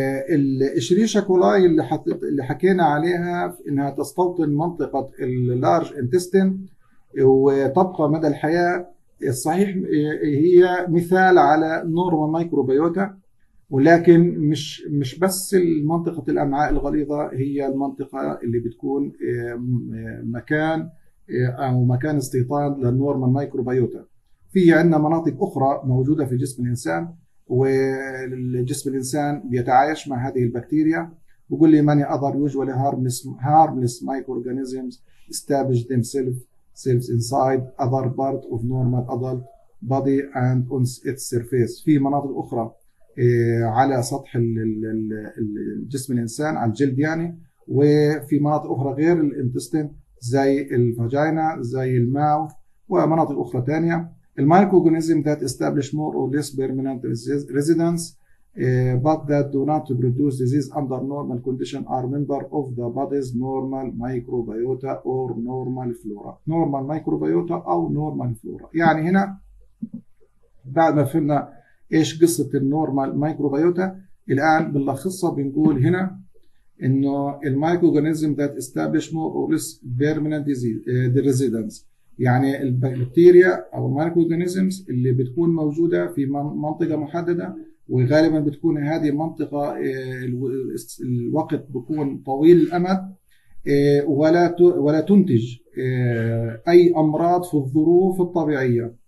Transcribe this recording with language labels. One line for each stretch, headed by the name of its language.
Arabic: الإشريشة كولاي اللي حكينا عليها إنها تستوطن منطقة اللارج انتستم وتبقى مدى الحياة، الصحيح هي مثال على نورمال مايكروبيوتا، ولكن مش بس منطقة الأمعاء الغليظة هي المنطقة اللي بتكون مكان أو مكان استيطان للنورمال مايكروبيوتا. في عندنا مناطق أخرى موجودة في جسم الإنسان وجسم الإنسان بيتعايش مع هذه البكتيريا. بقول لي
English: many other usually harmless microorganisms establish themselves inside other part of normal adult body and on its surface.
Arabic: في مناطق أخرى على سطح الجسم الإنسان على الجلد يعني، وفي مناطق أخرى غير الانتستين زي الفاجينا زي الماوث ومناطق أخرى تانية. المايكروغونيزم
English: that establish more or less permanent residence but that do not produce disease under normal condition are member of the body's normal microbiota or normal flora. Normal microbiota أو normal flora.
Arabic: يعني هنا بعد ما فهمنا إيش قصة النورمال مايكروبيوتا، الآن بنلخصها بنقول هنا إنه المايكروغانيزم
English: that establish more or less permanent
Arabic: ريزيدنس، يعني البكتيريا أو المايكروغانيزمز اللي بتكون موجودة في منطقة محددة، وغالبا بتكون هذه المنطقة الوقت بيكون طويل الأمد، ولا تنتج أي أمراض في الظروف الطبيعية.